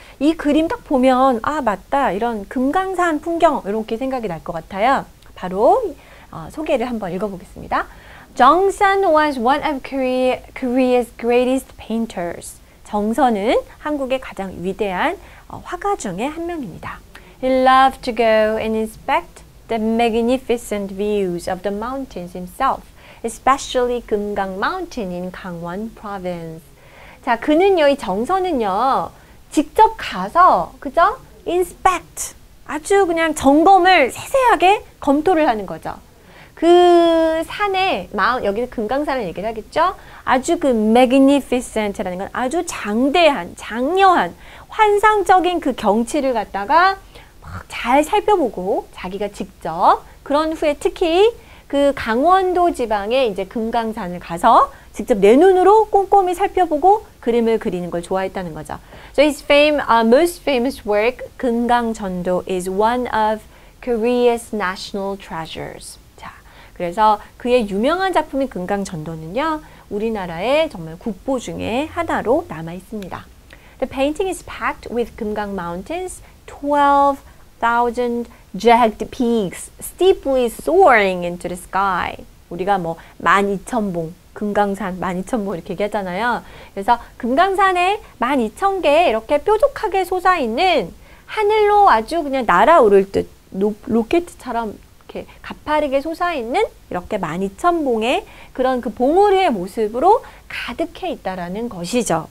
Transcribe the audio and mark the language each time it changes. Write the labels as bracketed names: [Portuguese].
[Korean] 이 그림 딱 보면, 아, 맞다. 이런 금강산 풍경, 이렇게 생각이 날 것 같아요. 바로 소개를 한번 읽어보겠습니다. [English] Jeong-san was one of Korea's greatest painters. [Korean] 정선은 한국의 가장 위대한 화가 중에 한 명입니다. [English] He loved to go and inspect the magnificent views of the mountains himself, especially 금강 Mountain in Gangwon Province. [Korean] 자, 그는요, 이 정선은요, 직접 가서, 그죠? inspect, 아주 그냥 점검을 세세하게 검토를 하는 거죠. 그 산에, 여기서 금강산을 얘기를 하겠죠? 아주 그 magnificent라는 건 아주 장대한, 장려한, 환상적인 그 경치를 갖다가 잘 살펴보고 자기가 직접 그런 후에 특히 그 강원도 지방에 이제 금강산을 가서 직접 내 눈으로 꼼꼼히 살펴보고 그림을 그리는 걸 좋아했다는 거죠. [English] So his most famous work, 금강전도, is one of Korea's national treasures. [Korean] 자, 그래서 그의 유명한 작품인 금강전도는요, 우리나라의 정말 국보 중에 하나로 남아 있습니다. [English] The painting is packed with 금강 mountains, 12,000 jagged peaks steeply soaring into the sky. [Korean] 우리가 뭐 12,000봉, 금강산 12,000봉 이렇게 얘기하잖아요. 그래서 금강산에 12,000개 이렇게 뾰족하게 솟아있는 하늘로 아주 그냥 날아오를 듯 로켓처럼 이렇게 가파르게 솟아있는 이렇게 12,000봉의 그런 그 봉우리의 모습으로 가득해 있다라는 것이죠.